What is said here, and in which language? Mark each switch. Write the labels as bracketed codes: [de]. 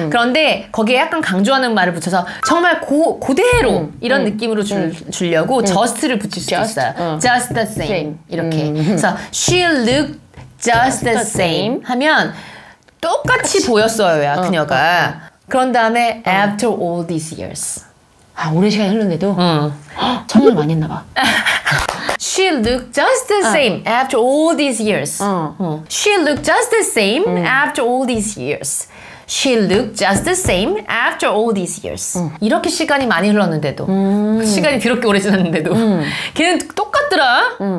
[ko] 그런데 거기에 약간 강조하는 말을 붙여서 정말 고대로 이런 느낌으로 주려고 just를 붙일 수도 있어요. [en] Just the same. [ko] 이렇게. [en] So, she looked just the same [ko] 하면 똑같이 보였어요, 야, 그녀가. 그런 다음에 [en] after all these years. [ko] 아, 오랜 시간이 흐른데도? 청년 많이 했나 봐. [en] She looked just the same after all these years. She looked just the same after all these years. She looked just the same after all these years. [ko] 이렇게 시간이 많이 흘렀는데도 시간이 그렇게 오래 지났는데도 걔는 똑같더라.